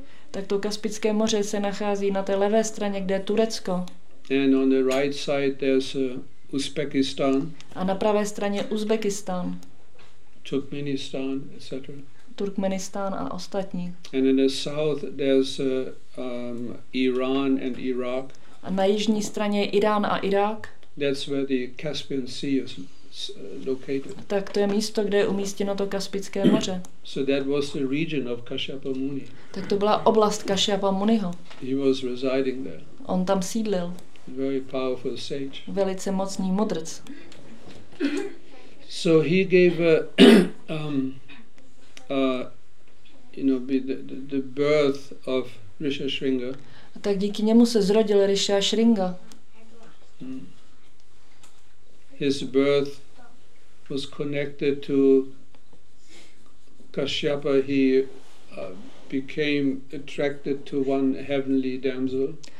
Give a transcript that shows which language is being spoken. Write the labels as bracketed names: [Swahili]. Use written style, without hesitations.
[Czech] Tak to Kaspické moře se nachází na té levé straně, kde je Turecko. [English] And on the right side there's Uzbekistan. [Czech] A na pravé straně Uzbekistan. [English] Turkmenistan, etc. [Czech] Turkmenistán a ostatní. [English] And in the south there's Iran and Iraq. [Czech] A na jižní straně je Irán a Irák. [English] That's where the Caspian Sea is located. [Czech] Tak to je místo, kde je umístěno to Kaspické moře. [English] So that was the region of Kashyapa Muni. [Czech] Tak to byla oblast Kashyapa Muniho. [English] He was residing there. [Czech] On tam sídlil. [English] Very powerful sage. [Czech] Velice mocný mudrc. [English] So he gave the birth of Rishi Shringa. [Czech] A tak díky němu se zrodil Rishi Shringa. [English] His birth was connected to Kashyapa. He became attracted to one heavenly damsel.